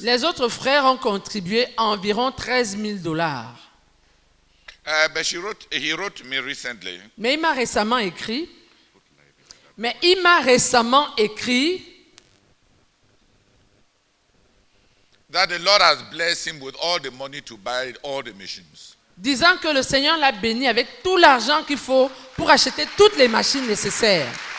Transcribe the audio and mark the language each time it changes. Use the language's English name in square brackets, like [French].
[French] Les autres frères ont contribué environ 13 000 dollars. [English] But she wrote, he wrote me recently. [French] Mais il m'a récemment écrit. Mais il m'a récemment écrit. [English] That the Lord has blessed him with all the money to buy all the machines. [French] Disant que le Seigneur l'a béni avec tout l'argent qu'il faut pour acheter toutes les machines nécessaires.